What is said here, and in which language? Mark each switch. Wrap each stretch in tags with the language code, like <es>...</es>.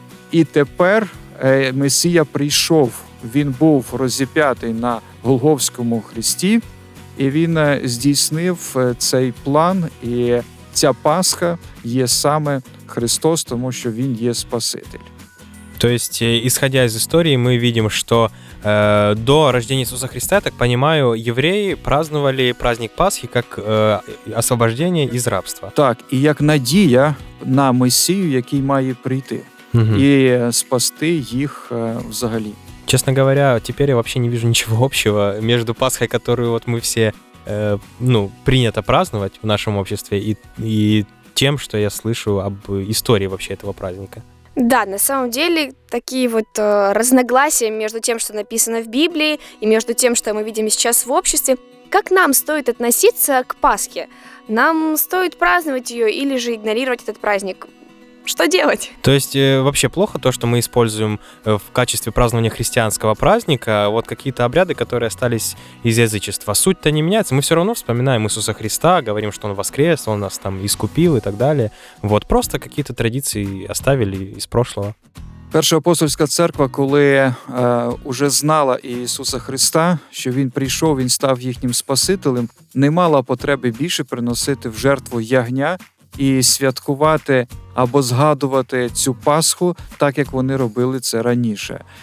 <uk>І тепер Месія прийшов, він був розіп'ятий на Голгофському хресті, і він здійснив цей план, і ця Пасха є саме Христос, тому що він є Спаситель.</uk> <ru>То есть, исходя из истории, мы видим, что До рождения Иисуса Христа, я так понимаю, евреи праздновали праздник Пасхи как освобождение из рабства.</ru> <uk>Так,</uk> <ru>и как</ru> <uk>надія на Месію, який має прийти, угу. і спасти їх взагалі.</uk> <ru>Честно говоря, теперь я вообще не вижу ничего общего между Пасхой, которую вот мы все, ну, принято праздновать в нашем обществе, и тем, что я слышу об истории вообще этого праздника. Да, на самом деле, такие вот разногласия между тем, что написано в Библии, и между тем, что мы видим сейчас в обществе. Как нам стоит относиться к Пасхе? Нам стоит праздновать ее или же игнорировать этот праздник? Что делать? То есть вообще плохо то, что мы используем в качестве празднования христианского праздника вот какие-то обряды, которые остались из язычества. Суть-то не меняется. Мы все равно вспоминаем Иисуса Христа, говорим, что Он воскрес, Он нас там искупил и так далее. Вот просто какие-то традиции оставили из прошлого.</ru> <uk>Перша апостольська церква, коли уже знала Ісуса Христа, що Він прийшов, Він став їхнім спасителем, не мала потреби більше приносити в жертву ягня і святкувати або згадувати цю Пасху так, як вони робили це раніше.</uk>